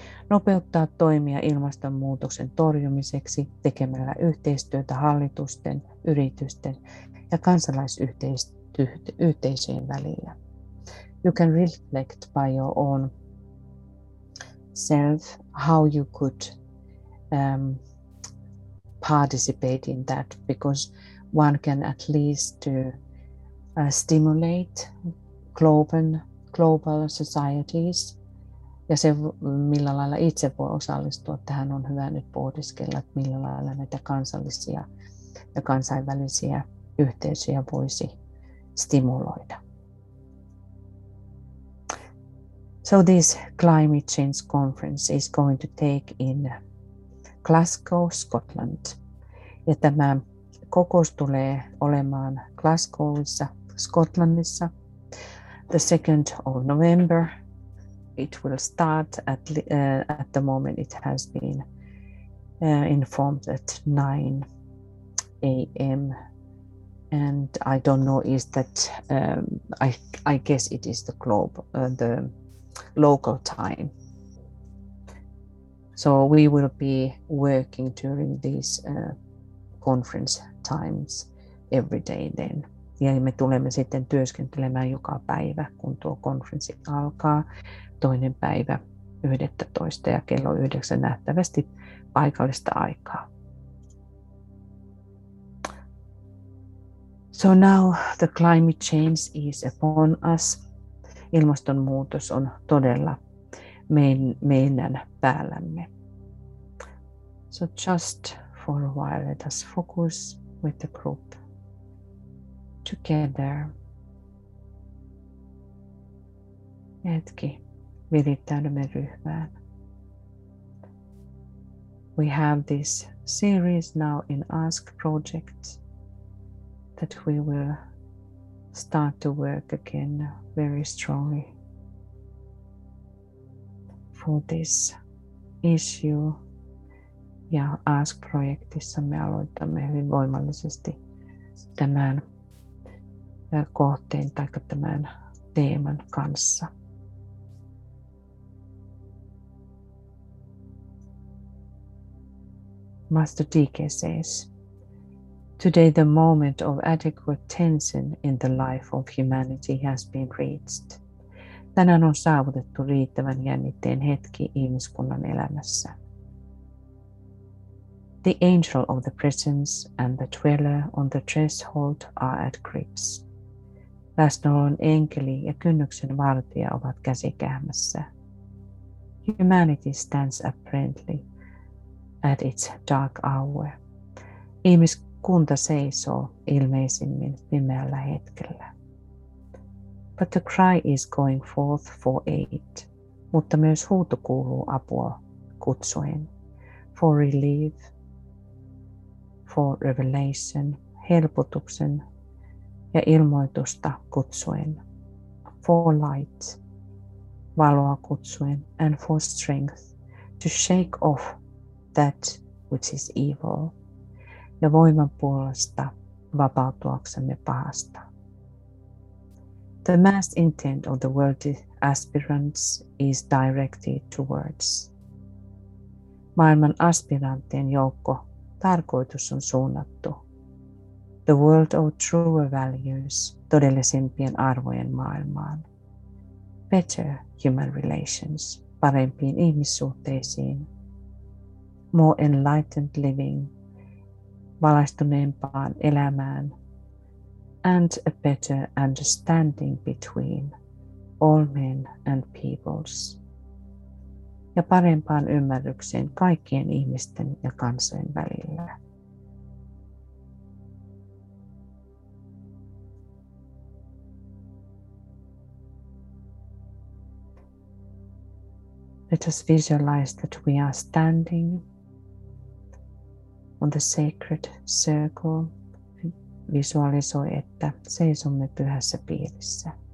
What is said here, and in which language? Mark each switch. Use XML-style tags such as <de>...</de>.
<fi>Nopeuttaa toimia ilmastonmuutoksen torjumiseksi tekemällä yhteistyötä hallitusten, yritysten ja kansalaisyhteisöjen välillä.</fi> <en>You can reflect by your own self how you could participate in that, because one can at least stimulate global societies.</en> <fi>Ja se, millä lailla itse voi osallistua tähän, on hyvä nyt pohdiskella, että millä lailla näitä kansallisia ja kansainvälisiä yhteisöjä voisi stimuloida.</fi> <en>So this climate change conference is going to take in Glasgow, Scotland.</en> <fi>Ja tämä kokous tulee olemaan Glasgowissa, Skotlannissa.</fi> <en>the 2nd of November. It will start at the moment it has been informed at 9 a.m. And I don't know is that I guess it is the globe the local time. So we will be working during these conference times every day then.</en> <fi>Ja me tulemme sitten työskentelemään joka päivä, kun tuo konferenssi alkaa, toinen päivä 11 ja kello 9 nähtävästi paikallista aikaa.</fi> <en>So now the climate change is upon us.</en> <fi>Ilmastonmuutos on todella meidän päällämme.</fi> <en>So just for a while, let us focus with the group together.</en> <fi>Hetki, virittäydymme ryhmään.</fi> <en>We have this series now in Ask Project that we will start to work again very strongly for this issue.</en> <fi>Ja Ask-projektissa me aloitamme hyvin voimallisesti tämän kohteen tai tämän teeman kanssa.</fi> <en>Master DK says, today the moment of adequate tension in the life of humanity has been reached.</en> <fi>Tänään on saavutettu riittävän jännitteen hetki ihmiskunnan elämässä.</fi> <en>The angel of the presence and the dweller on the threshold are at grips.</en> <fi>Läsnäolon enkeli ja kynnyksen vartija ovat käsikähmässä.</fi> <en>Humanity stands apparently at its dark hour.</en> <fi>Ihmiskunta seisoo ilmeisimmin pimeällä hetkellä.</fi> <en>But the cry is going forth for aid.</en> <fi>Mutta myös huuto kuuluu apua kutsuen.</fi> <en>For relief. For revelation,</en> <fi>helpotuksen ja ilmoitusta kutsuen,</fi> <en>for light,</en> <fi>valoa kutsuen,</fi> <en>and for strength, to shake off that which is evil,</en> <fi>ja voiman puolesta vapautuaksemme pahasta.</fi> <en>The mass intent of the worldly aspirants is directed towards.</en> <fi>Maailman aspiranttien joukko tarkoitus on suunnattu.</fi> <en>The world of truer values,</en> <fi>todellisempien arvojen maailmaan.</fi> <en>Better human relations,</en> <fi>parempiin ihmissuhteisiin.</fi> <en>More enlightened living,</en> <fi>valaistuneempaan elämään.</fi> <en>And a better understanding between all men and peoples.</en> <fi>Ja parempaan ymmärrykseen kaikkien ihmisten ja kansojen välillä.</fi> <en>Let us visualize that we are standing on the sacred circle.</en> <fi>Visualisoi, että seisomme pyhässä piirissä.</fi>